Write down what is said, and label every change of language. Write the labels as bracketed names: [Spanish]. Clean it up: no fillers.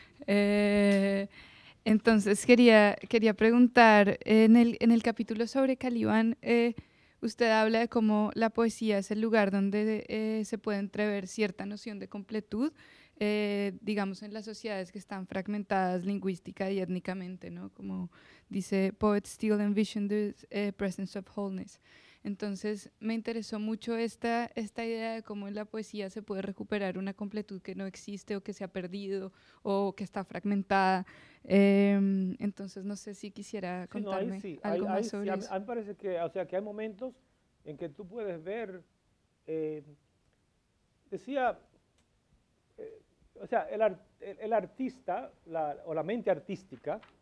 [Spanish] Entonces quería preguntar, en el capítulo sobre Calibán, usted habla de cómo la poesía es el lugar donde se puede entrever cierta noción de completud, digamos, en las sociedades que están fragmentadas lingüística y étnicamente, ¿no? Como dice, [English] poets still envision the presence of wholeness. [Spanish] Entonces, me interesó mucho esta idea de cómo en la poesía se puede recuperar una completud que no existe o que se ha perdido o que está fragmentada. Entonces, no sé si quisiera contarme algo más sobre eso. A mí me parece que hay momentos en que tú puedes ver, el artista o la mente artística,